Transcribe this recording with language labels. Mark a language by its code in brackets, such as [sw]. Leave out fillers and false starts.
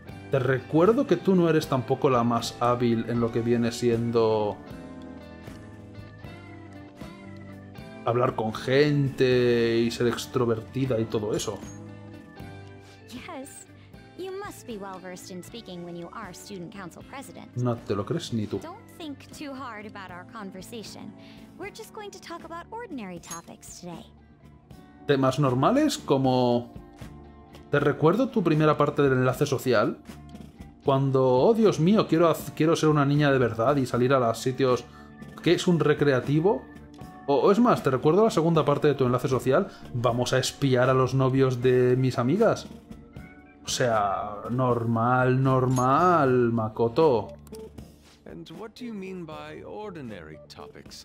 [es] Te recuerdo que tú no eres tampoco la más hábil en lo que viene siendo... hablar con gente y ser extrovertida y todo eso. [en] Yes, you must be well versed in speaking when you are student council president. [es] No te lo crees ni tú. [en] Don't think too hard about our conversation. We're just going to talk about ordinary topics today. [es] Temas normales como... Te recuerdo tu primera parte del enlace social. cuando, oh Dios mío, quiero ser una niña de verdad y salir a los sitios, que es un recreativo. O es más, te recuerdo la segunda parte de tu enlace social, vamos a espiar a los novios de mis amigas. O sea, normal, normal, Makoto. [en] And what do you mean by ordinary topics?